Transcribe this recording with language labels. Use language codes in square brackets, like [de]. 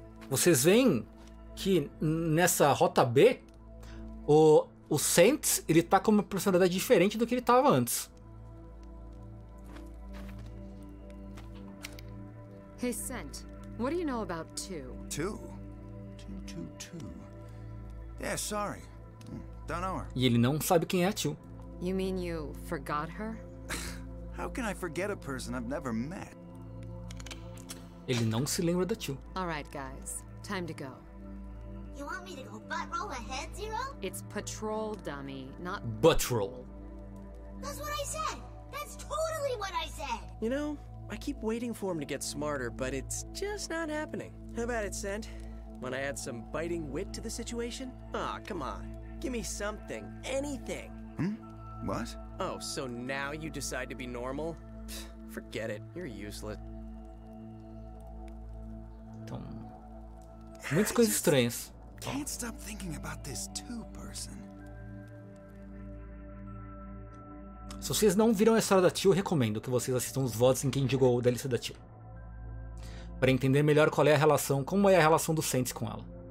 [pt] Vocês veem que nessa rota B, o Saints, ele tá com uma personalidade diferente do que ele tava antes. [en] Hey, Saint, what do you know about two? Two? Two, two, two. Yeah, sorry. Don't know her. [pt] E ele não sabe quem é a Two. [en] You mean you forgot her? How can I forget a person I've never met? [pt] Ele não se lembra da Two. [en] All right, guys. Time to go. You want me to go butt roll ahead, Zero? It's patrol, dummy, not butt roll. That's what I said. That's totally what I said. You know, I keep waiting for him to get smarter, but it's just not happening. How about it, Sent? Want to add some biting wit to the situation? Aw, come on. Give me something. Anything. What? Oh, so now you decide to be normal? Forget it. You're useless. Tom. [pt] Muitas coisas estranhas. [en] Can't stop thinking about this two person. [pt] Se vocês não viram a história da Tio, eu recomendo que vocês assistam os votos em quem jogou da lista da Tio. Para entender melhor qual é a relação, como é a relação do Sentes com ela.